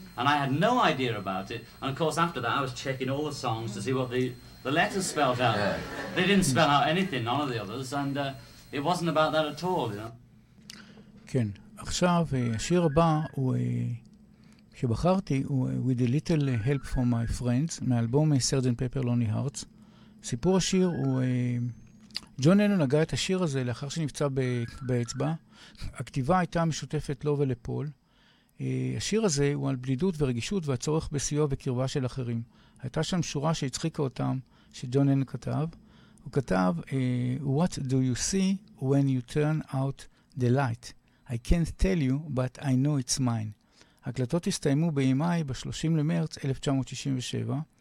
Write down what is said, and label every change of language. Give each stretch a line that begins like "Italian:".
English: And I had no idea about it. And of course, after that, I was checking all the songs to see what the letters spelt out. Yeah. They didn't spell out anything, none of the others, and it wasn't about that at all, you know?
Hebrew: כן. עכשיו, השיר הבא הוא, שבחרתי, הוא With a Little Help From My Friends, מאלבום Sgt.
English: Pepper's Lonely Hearts.
Hebrew: סיפור השיר הוא, ג'ון לנון הגע את השיר הזה לאחר שנפצע באצבע. הכתיבה הייתה משותפת לו ולפול. השיר הזה הוא על בדידות ורגישות והצורך בסיוע וקרבה של אחרים. הייתה שם שורה שהצחיקה אותם, שג'ון לנון כתב. הוא כתב,
English: What do you see when you turn out the light? I can't tell you, but I know it's mine.
Hebrew: הקלטות הסתיימו ב-EMI ב-30 למרץ 1967.